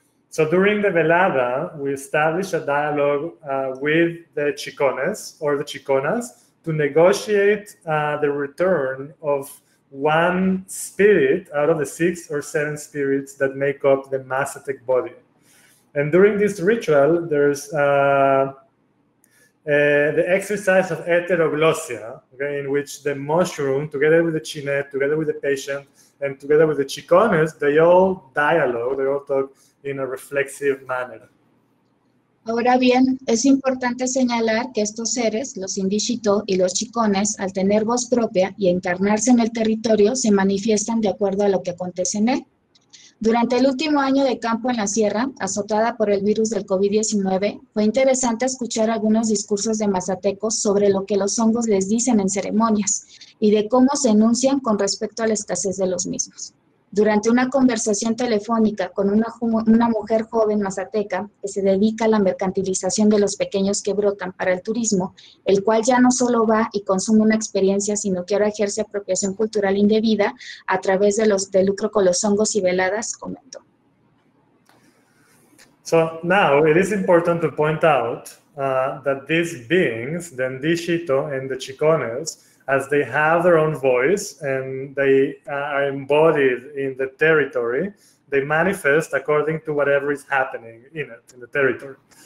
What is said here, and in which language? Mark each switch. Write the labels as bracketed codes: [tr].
[en] So during the velada, we establish a dialogue with the Chicones or the Chiconas to negotiate the return of one spirit out of the 6 or 7 spirits that make up the Mazatec body. And during this ritual, there's the exercise of heteroglossia, okay, in which the mushroom, together with the chinet, together with the patient, and together with the chiconers, they all dialogue, they all talk in a reflexive manner. [es] Ahora bien, es importante señalar que estos seres, los indígito y los chicones, al tener voz propia y encarnarse en el territorio, se manifiestan de acuerdo a lo que acontece en él. Durante el último año de campo en la sierra, azotada por el virus del COVID-19, fue interesante escuchar algunos discursos de mazatecos sobre lo que los hongos les dicen en ceremonias y de cómo se enuncian con respecto a la escasez de los mismos. Durante una conversación telefónica con una mujer joven mazateca que se dedica a la mercantilización de los pequeños que brotan para el turismo, el cual ya no solo va y consume una experiencia, sino que ahora ejerce apropiación cultural indebida a través de los de lucro con los hongos y veladas, comentó. [en] So now it is important to point out that these beings, the Ndishito and the Chicones, as they have their own voice and they are embodied in the territory, they manifest according to whatever is happening in it, in the territory.